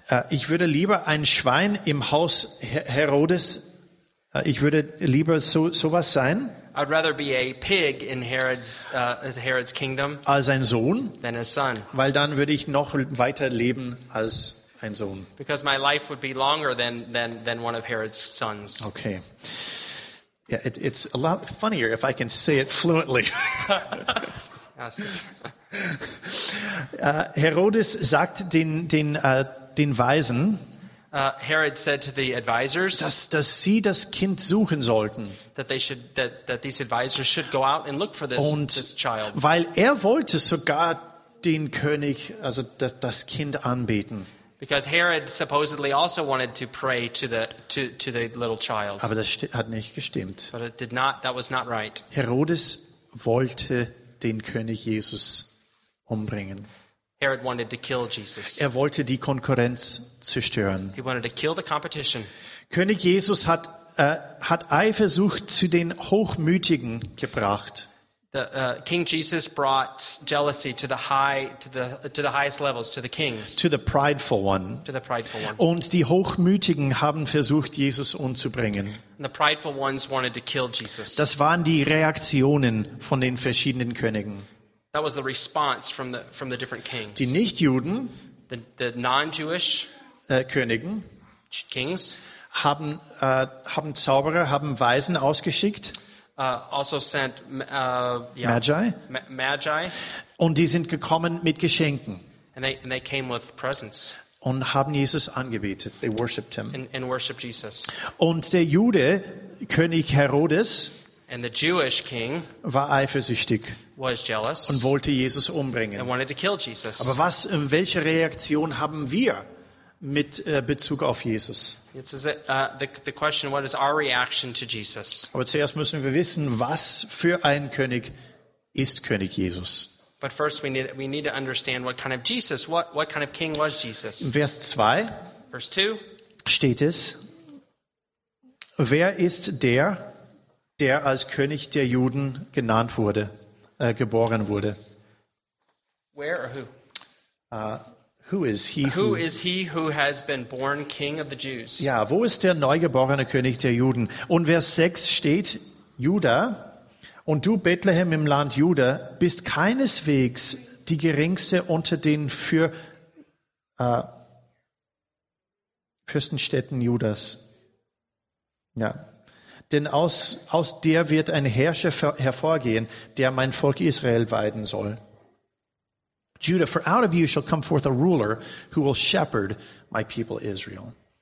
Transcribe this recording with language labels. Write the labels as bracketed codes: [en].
[de] ich würde lieber ein Schwein im Haus Herodes. Ich würde lieber sowas sein. [en] I'd rather be a pig in Herod's kingdom. [de] Als ein Sohn. [en] Than a son. [de] Weil dann würde ich noch weiter leben als ein Sohn. [en] Because my life would be longer than one of Herod's sons. Okay. Yeah, it's a lot funnier if I can say it fluently. [de] Herodes sagt den Weisen, [en] Herod said to the advisors, [de] dass sie das Kind suchen sollten. [en] That these advisors should go out and look for this child. [de] Weil er wollte sogar den König, also das Kind anbeten. [en] Because Herod supposedly also wanted to pray to the little child. [de] Aber das hat nicht gestimmt. [en] But it did not, that was not right. [de] Herodes wollte den König Jesus umbringen. [en] Herod wanted to kill Jesus. [de] Er wollte die Konkurrenz zerstören. [en] He wanted to kill the competition. [de] König Jesus hat Eifersucht zu den Hochmütigen gebracht. [en] King Jesus brought jealousy to the highest levels, to the kings. To the prideful one. To the prideful one. [de] Und die Hochmütigen haben versucht, Jesus umzubringen. [en] And the prideful ones wanted to kill Jesus. [de] Das waren die Reaktionen von den verschiedenen Königen. [en] That was the response from the different kings. [de] Die Nichtjuden, [en] the non-Jewish [de] Königen, [en] kings, [de] haben Zauberer, haben Weisen ausgeschickt. [en] Also sent [de] Magi, und die sind gekommen mit Geschenken. [en] And they came with presents. [de] Und haben Jesus angebetet. [en] They worshipped him. And worshipped Jesus. [de] Und der Jude König Herodes, [en] and the Jewish king, [de] war eifersüchtig. [en] Was jealous. [de] Und wollte Jesus umbringen. [en] And wanted to kill Jesus. [de] Aber was, in welche Reaktion haben wir mit Bezug auf Jesus? [en] It's the question, what is our reaction to Jesus? [de] Aber zuerst müssen wir wissen, was für ein König ist König Jesus. [en] But first we need to understand what kind of Jesus, what kind of king was Jesus. [de] In Vers 2 steht es, wer ist der als König der Juden genannt wurde, geboren wurde? [en] Where or who? Who is he who has been born king of the Jews? [de] Ja, wo ist der neugeborene König der Juden? Und Vers 6 steht, Juda, und du Bethlehem im Land Juda, bist keineswegs die geringste unter den für Fürstenstädten Judas. Ja. Denn aus dir wird ein Herrscher hervorgehen, der mein Volk Israel weiden soll. [en] Judah, for out of you shall come forth a ruler who will shepherd my people Israel.